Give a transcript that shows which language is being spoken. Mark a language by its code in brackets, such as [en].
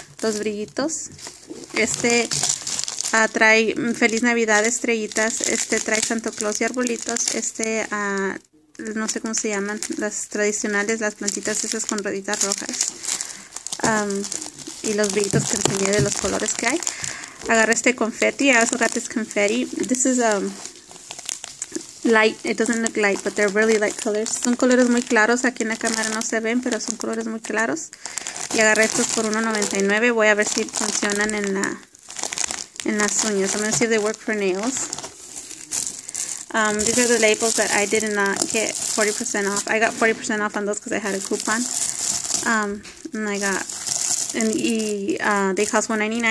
[es] Los brillitos. Este trae Feliz Navidad, estrellitas. Este trae Santa Claus y arbolitos. Este, no sé cómo se llaman. Las tradicionales, las plantitas esas con rueditas rojas. Y los brillitos que enseñé de los colores que hay. Agarré este confetti. [en] I also got this confetti. This is light, it doesn't look light, but they're really light colors. [es] Son colores muy claros, aquí en la cámara no se ven, pero son colores muy claros. Y agarré estos por $1.99. Voy a ver si funcionan en la en las uñas. [en] I'm gonna see if they work for nails. These are the labels that I did not get 40% off. I got 40% off on those because I had a coupon. And I got they cost $1.99.